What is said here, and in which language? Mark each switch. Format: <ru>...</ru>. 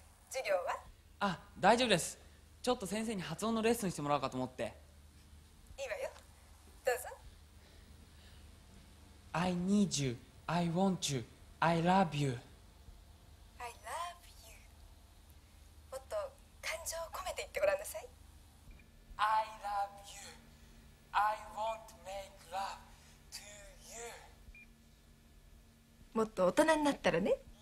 <ja>授業は？あ、大丈夫です。ちょっと先生に発音のレッスンしてもらおうかと思って。いいわよ、どうぞ。</ja> <en>I need you, I want you, I love you。 I love you。</en> <ja>もっと感情を込めて言ってごらんなさい。</ja> <en>I love you, I want to make love to you。</en> <ja>もっと大人になったらね。</ja>